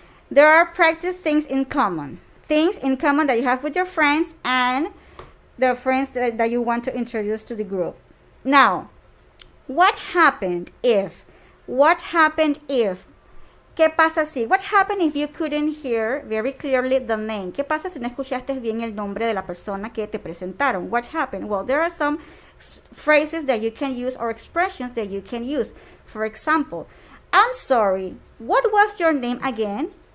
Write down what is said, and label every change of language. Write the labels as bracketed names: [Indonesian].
[English] There are practice things in common. Things in common that you have with your friends and the friends that you want to introduce to the group. Now, what happened if, [Spanish] ¿qué pasa si? [English] What happened if you couldn't hear very clearly the name? [Spanish] ¿Qué pasa si no escuchaste bien el nombre de la persona que te presentaron? [English] What happened? Well, there are some phrases that you can use or expressions that you can use. For example, I'm sorry, what was your name again?